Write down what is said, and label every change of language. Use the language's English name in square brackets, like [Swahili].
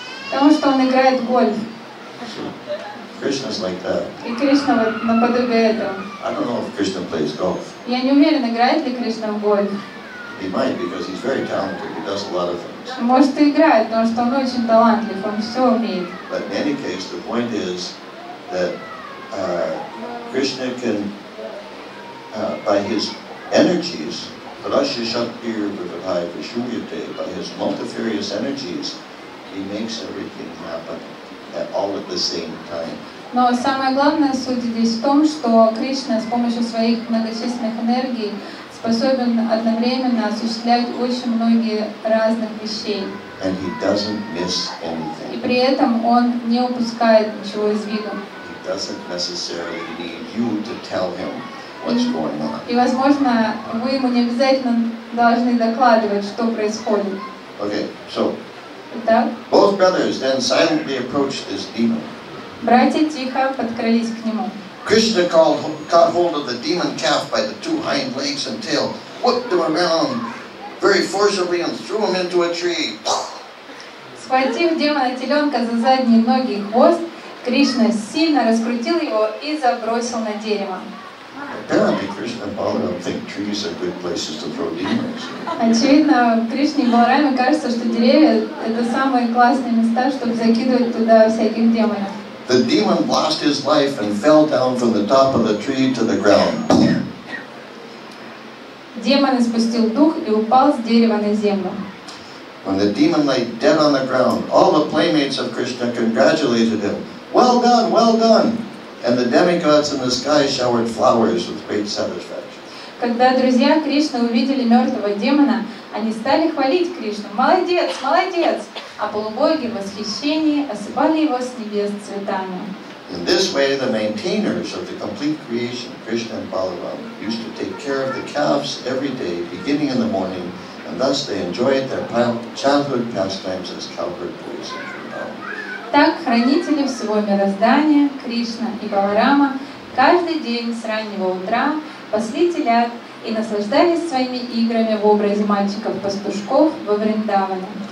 [Russian] Потому что он играет в гольф. [English] Krishna's like that. [Russian] И Кришна вот наподобие этого. [English] I don't know if Krishna plays golf. [Russian] Я не уверен, играет ли Кришна в гольф. [English] He might, because he's very talented. He does a lot of things. [Russian] Может, и играет, потому что он очень талантлив, он все умеет. [English] But in any case, the point is that Krishna can, by his energies, Prashishatpirvipadhyavishuryate, by his multifarious energies, he makes everything happen. All at the same time. [Russian] Но самое главное суть здесь в том, что Кришна с помощью своих многочисленных энергий, с способен одновременно осуществлять очень многие разных вещей. [English] And he doesn't miss anything. [Russian] И при этом он не упускает ничего из виду. [English] He doesn't necessarily need you to tell him what's going on. [Russian] И возможно, вы ему не обязательно должны докладывать, что происходит. [English] Okay, so. [Russian] Итак. [English] Both brothers then silently approached this demon. [Russian] Братья тихо подкрались к нему. [English] Krishna caught hold of the demon calf by the two hind legs and tail, whipped him around very forcibly and threw him into a tree. [Russian] Схватив демона-теленка за задние ноги и хвост, Кришна сильно раскрутил его и забросил на дерево. [English] Apparently, Krishna and Balaram think trees are good places to throw demons. [Russian] Очевидно, Кришне и Баларами кажется, что деревья это самые классные места, чтобы закидывать туда всяких демонов. [English] The demon lost his life and fell down from the top of the tree to the ground. [Russian] Демон испустил дух и упал с дерева на землю. [English] When the demon lay dead on the ground, all the playmates of Krishna congratulated him. Well done, well done. And the demigods in the sky showered flowers with great satisfaction. [Russian] Когда друзья Кришны увидели мертвого демона, они стали хвалить Кришну. Молодец, молодец. А полубоги в восхищении осыпали его с небес цветами. [English] In this way, the maintainers of the complete creation, Krishna and Balaram, used to take care of the calves every day, beginning in the morning, and thus they enjoyed their childhood pastimes as cowherd boys and [Russian] Так хранители всего мироздания, Кришна и Баларама, каждый день с раннего утра пасли телят и наслаждались своими играми в образе мальчиков-пастушков во Вриндаване.